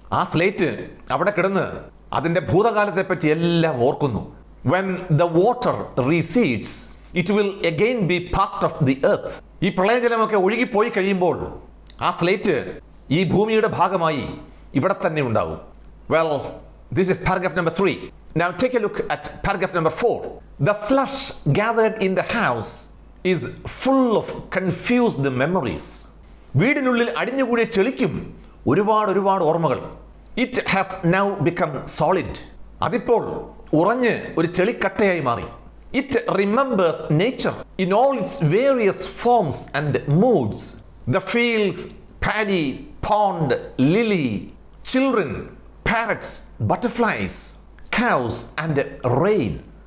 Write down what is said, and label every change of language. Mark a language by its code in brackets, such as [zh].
[ml] ആ സ്ലേറ്റ് അവിടെ കിടന്ന് അതിന്റെ ഭൂതകാലത്തെ പറ്റി എല്ലാം ഓർക്കുന്നു. [en] When the water recedes it will again be part of the earth. [ml] ഈ പ്രളയജലമൊക്കെ ഒഴുകിപ്പോയി കഴിയുമ്പോൾ ആ സ്ലേറ്റ് ഈ ഭൂമിയുടെ ഭാഗമായി ഇവിടെ തന്നെ ഉണ്ടാവും. [en] Well this is paragraph number 3. Now take a look at paragraph number 4. The slush gathered in the house is full of confused memories. [ml] വീടിനുള്ളിൽ അടിഞ്ഞുകൂടിയ ചെളിക്കും ഒരുപാട് ഒരുപാട് ഓർമ്മകൾ. [en] It has now become solid. [ml] അതിപ്പോൾ ഉറഞ്ഞ് ഒരു ചെളിക്കട്ടയായി മാറി. [en] It remembers nature in all its various forms and moods. The fields, paddy, pond, lily, children, parrots, butterflies, house and rain.